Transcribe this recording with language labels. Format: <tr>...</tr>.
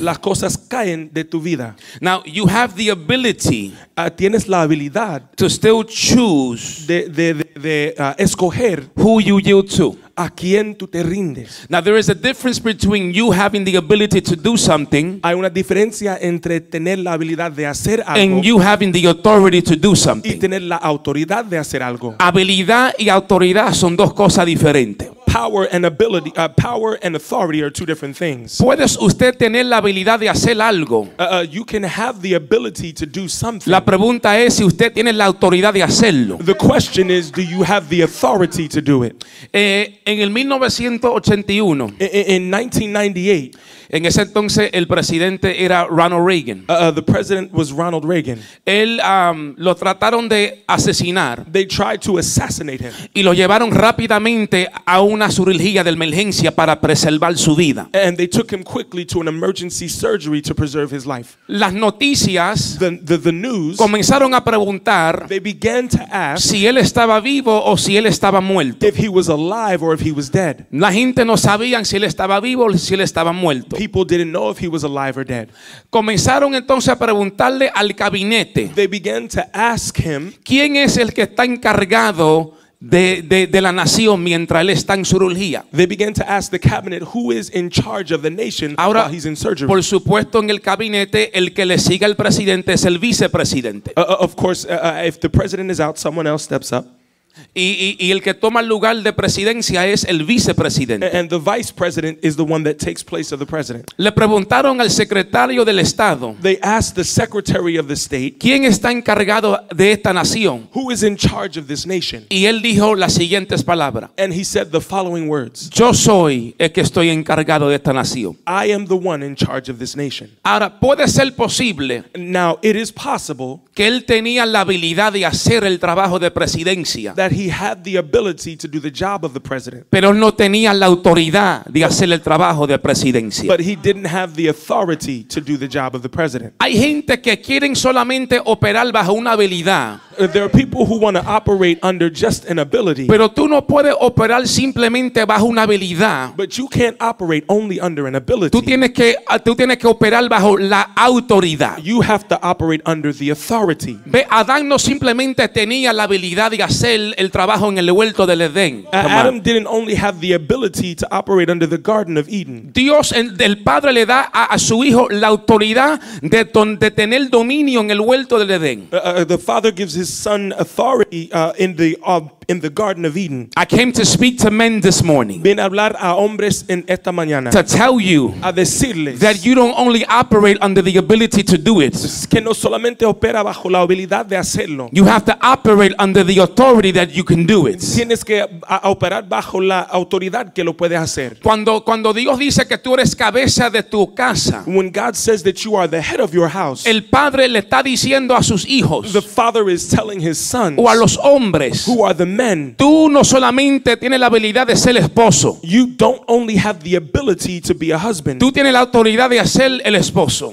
<es>Las cosas caen de tu vida.</es> <en>Now you have the ability,</en> <es>tienes la habilidad,</es> <en>to still choose</en> <es>de escoger</es> <en>who you yield to.</en> <es>¿A quién tú te rindes?</es> <en>Now there is a difference between you having the ability to do something,</en> <es>hay una diferencia entre tener la habilidad de hacer algo,</es> <en>and you having the authority to do something,</en> <es>y tener la autoridad de hacer algo. Habilidad y autoridad son dos cosas diferentes.</es> <en>Power and ability, power and authority are two different things.</en> <es>¿Puedes usted tener la habilidad de hacer algo?</es> <en>You can have the ability to do something.</en> <es>La pregunta es si usted tiene la autoridad de hacerlo.</es> <en>The question is, do you have the authority to do it?</en> <es>En el 1981.</es> <en>In 1998.</en> <es>En ese entonces el presidente era Ronald Reagan.</es> <en>The president was Ronald Reagan.</en> <es>Él lo trataron de asesinar.</es> <en>They tried to assassinate him.</en> <es>Y lo llevaron rápidamente a una cirugía de emergencia para preservar su vida.</es> <en>And they took him quickly to an emergency surgery to preserve his life.</en> <es>Las noticias,</es> <en>the news,</en> <es>comenzaron a preguntar,</es> <en>they began to ask,</en> <es>si él estaba vivo o si él estaba muerto.</es> <en>If he was alive or if he was dead.</en> <es>La gente no sabían si él estaba vivo o si él estaba muerto.</es> <en>People didn't know if he was alive or dead.</en> <es>Comenzaron entonces a preguntarle al gabinete,</es> <en>they began to ask him,</en> <es>¿quién es el que está encargado de la nación mientras él está en cirugía.</es> <en>They began to ask the cabinet who is in charge of the nation</en> <es>ahora,</es> <en>while he's in surgery.</en> <es>Por supuesto, en el gabinete el que le sigue al presidente es el vicepresidente.</es> <en>If the president is out, someone else steps up.</en> <es>Y el que toma el lugar de presidencia es el vicepresidente.</es> <en>And the vice president is the one that takes place of the president.</en> <es>Le preguntaron al secretario del estado.</es> <en>They asked the secretary of the state.</en> <es>¿Quién está encargado de esta nación?</es> <en>Who is in charge of this nation?</en> <es>Y él dijo las siguientes palabras.</es> <en>And he said the following words.</en> <es>Yo soy el que estoy encargado de esta nación.</es> <en>I am the one in charge of this nation.</en> <es>Ahora, puede ser posible.</es> <en>Now it is possible.</en> <es>Que él tenía la habilidad de hacer el trabajo de presidencia.</es> <en>That he had the ability to do the job of the president.</en> <es>Pero no tenía la autoridad de hacer el trabajo de presidencia.</es> <en>But he didn't have the authority to do the job of the president.</en> <es>Hay gente que quieren solamente operar bajo una habilidad.</es> <en>There are people who want to operate under just an ability.</en> <es>Pero tú no puedes operar simplemente bajo una habilidad.</es> <en>But you can't operate only under an ability.</en> <es>Tú tienes que operar bajo la autoridad.</es> <en>You have to operate under the authority.</en> <es>Ve, Adán no simplemente tenía la habilidad de hacer el trabajo en el huerto del Edén.</es> <en>Adam didn't only have the ability to operate under the Garden of Eden.</en> <es>Dios, el Padre le da a su hijo la autoridad de tener dominio en el huerto del Edén.</es> <en>The Father gives his son authority in the Garden of Eden. I came to speak to men this morning.</en> <es>Vine a hablar a hombres en esta mañana.</es> <en>To tell you</en> <es>a decirles</es> <en>that you don't only operate under the ability to do it.</en> <es>Que no solamente opera bajo la habilidad de hacerlo.</es> <en>You have to operate under the authority that you can do it.</en> <es>Tienes que operar bajo la autoridad que lo puedes hacer. Cuando Dios dice que tú eres cabeza de tu casa.</es> <en>When God says that you are the head of your house.</en> <es>El padre le está diciendo a sus hijos.</es> <en>The father is telling his sons.</en> <es>O a los hombres.</es> <en>Who are the men.</en> <es>Tú no solamente tienes la habilidad de ser esposo.</es> <en>You don't only have the ability to be a husband.</en> <es>Tú tienes la autoridad de ser el esposo.</es>